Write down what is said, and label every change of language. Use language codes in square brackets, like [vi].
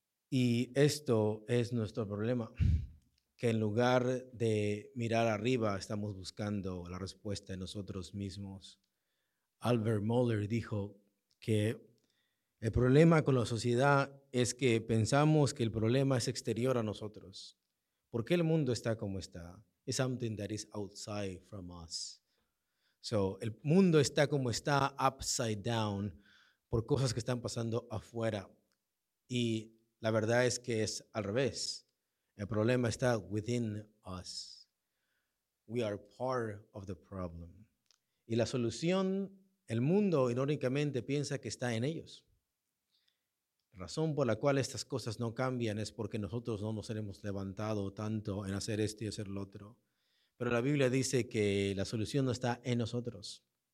[es] Y esto es nuestro problema, que en lugar de mirar arriba, estamos buscando la respuesta en nosotros mismos. Albert Mohler dijo que el problema con la sociedad es que pensamos que el problema es exterior a nosotros. ¿Por qué el mundo está como está? [en] It's something that is outside from us. So, [es] el mundo está como está, [en] upside down, [es] por cosas que están pasando afuera. Y la verdad es que es al revés. El problema está [en] within us. We are part of the problem. [es] Y la solución, el mundo irónicamente piensa que está en ellos. La razón por la cual estas cosas no cambian es porque nosotros no nos hemos levantado tanto en hacer esto y hacer lo otro. Pero la Biblia dice que la solución no está en nosotros.